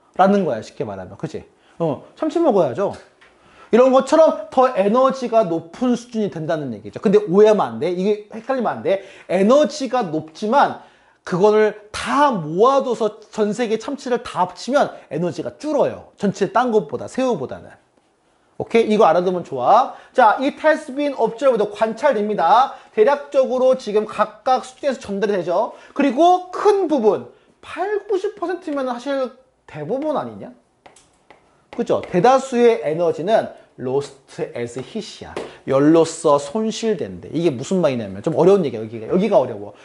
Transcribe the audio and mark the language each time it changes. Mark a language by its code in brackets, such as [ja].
[ko] 라는 거야, 쉽게 말하면. 그치? 참치 먹어야죠. 이런 것처럼 더 에너지가 높은 수준이 된다는 얘기죠. 근데 오해하면 안 돼. 이게 헷갈리면 안 돼. 에너지가 높지만, 그거를 다 모아둬서 전 세계 참치를 다 합치면 에너지가 줄어요. 전체 딴 것보다, 새우보다는. 오케이? 이거 알아두면 좋아. 자, [en] it has been observed, [ko] 관찰됩니다. 대략적으로 지금 각각 숙제에서 전달이 되죠. 그리고 큰 부분, 80, 90%면 사실 대부분 아니냐? 그죠? 대다수의 에너지는 [en] lost as heat [ko] 이야. 열로서 손실된대. 이게 무슨 말이냐면, 좀 어려운 얘기야, 여기가 어려워.